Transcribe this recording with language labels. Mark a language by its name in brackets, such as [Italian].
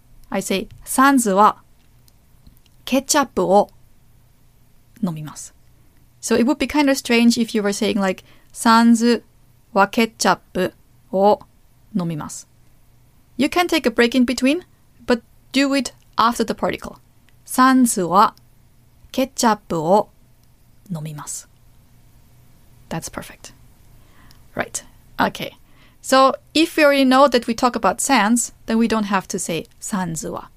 [English] I say [Japanese] sanzu wa ketchup wo nomimasu. [English] So it would be kind of strange if you were saying like [Japanese] sanzu wa ketchup を飲みます。 [English] You can take a break in between, but do it after the particle. [Japanese] サンズはケッチャップを飲みます。 [English] That's perfect. Right. Okay. So if we already know that we talk about sans, then we don't have to say [Japanese] サンズは。